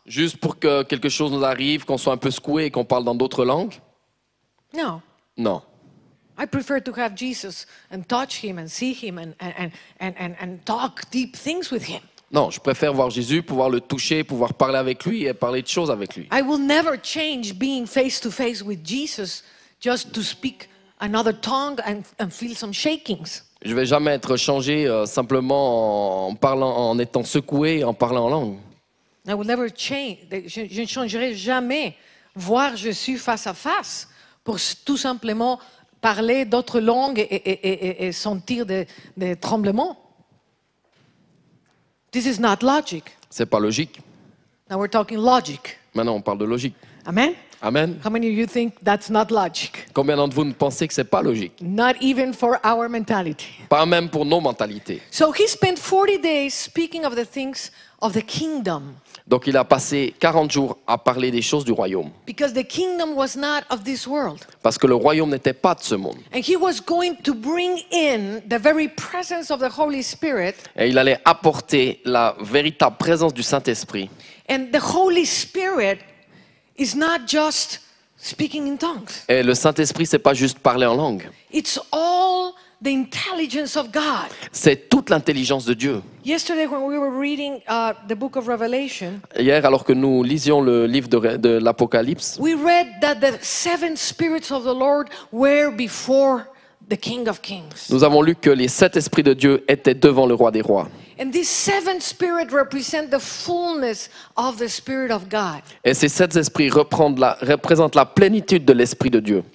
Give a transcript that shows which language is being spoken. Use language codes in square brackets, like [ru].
[fr] Juste pour que quelque chose nous arrive, qu'on soit un peu secoué et qu'on parle dans d'autres langues? [en] No. [fr] Non. [en] I prefer to have Jesus and touch him and see him and talk deep things with him. [fr] Non, je préfère voir Jésus, pouvoir le toucher, pouvoir parler avec lui et parler de choses avec lui. [en] I will never change being face to face with Jesus just to speak another tongue and feel some shakings. [fr] Je ne vais jamais être changé simplement en parlant, en étant secoué, en parlant en langue. [en] I will never change. [fr] Je ne changerai jamais voir Jésus face à face pour tout simplement parler d'autres langues et sentir des tremblements. [en] This is not logic. [fr] C'est pas logique. [en] Now we're talking logic. [fr] Maintenant, on parle de logique. [en] Amen. [fr] Amen. [en] How many of you think that's not logic? [fr] Combien d'entre vous ne pensez que c'est pas logique? [en] Not even for our mentality. [fr] Pas même pour nos mentalités. [en] So he spent 40 days speaking of the things of the kingdom. [fr] Donc il a passé 40 jours à parler des choses du royaume. [en] Because the kingdom was not of this world. [fr] Parce que le royaume n'était pas de ce monde. [en] And he was going to bring in the very presence of the Holy Spirit. [fr] Et il allait apporter la véritable présence du Saint-Esprit. [en] And the Holy Spirit is not just speaking in tongues. [fr] Et le Saint-Esprit, c'est pas juste parler en langue. [en] It's all the intelligence of God. [fr] C'est toute l'intelligence de Dieu. [en] Yesterday, when we were reading the book of Revelation, [fr] hier, alors que nous lisions le livre de l'Apocalypse, [en] we read that the seven spirits of the Lord were before the King of Kings. [fr] Nous avons lu que les sept esprits de Dieu étaient devant le roi des rois. [en] And these seven spirits represent the fullness of the Spirit of God. [fr] Et ces sept esprits représentent la plénitude de l'Esprit de Dieu.